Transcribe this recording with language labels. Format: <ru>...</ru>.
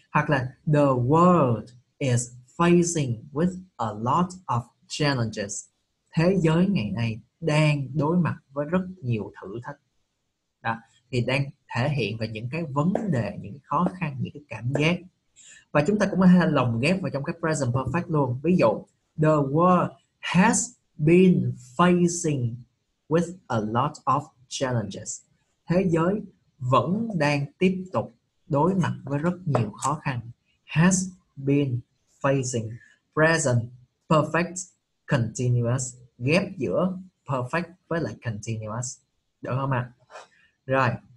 <vi>Hoặc là</vi> <en>the world is facing with a lot of challenges.</en> <vi>Thế giới ngày nay đang đối mặt với rất nhiều thử thách. Đó. Thì đang thể hiện về những cái vấn đề, những cái khó khăn, những cái cảm giác. Và chúng ta cũng có thể lồng ghép vào trong cái present perfect luôn. Ví dụ,</vi> <en>the world has been facing with a lot of challenges.</en> <vi>Thế giới vẫn đang tiếp tục đối mặt với rất nhiều khó khăn.</vi> <en>Has been facing. Present perfect continuous.</en> <vi>Ghép giữa perfect với lại continuous. Được không ạ? Rồi.</vi>